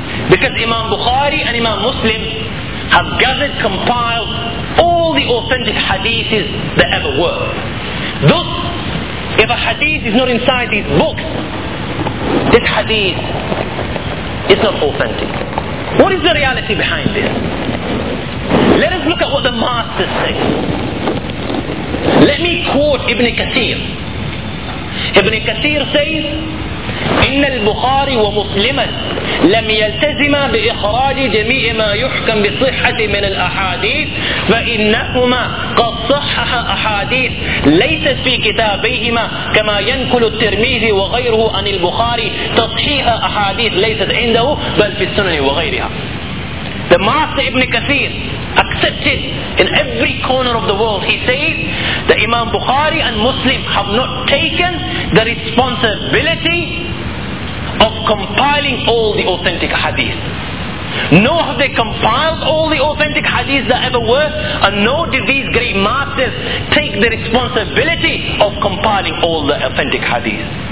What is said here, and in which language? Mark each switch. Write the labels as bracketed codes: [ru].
[en] Because Imam Bukhari and Imam Muslim have gathered, compiled all the authentic hadiths that ever were. Thus, if a hadith is not inside these books, this hadith is not authentic. What is the reality behind this? Let us look at what the masters say. Let me quote Ibn Kathir. Ibn Kathir says, [ar] إن البخاري ومسلما لم يلتزما بإخراج جميع ما يحكم بصحة من الأحاديث فإنهما قد صحح أحاديث ليست في كتابيهما كما ينقل الترمذي وغيره عن البخاري تصحيح أحاديث ليست عنده بل في السنن وغيرها. [en] The master Ibn Kathir accepted in every corner of the world. He said that Imam Bukhari and Muslim have not taken the responsibility of compiling all the authentic hadith. Nor have they compiled all the authentic hadith that ever were, and nor did these great masters take the responsibility of compiling all the authentic hadith.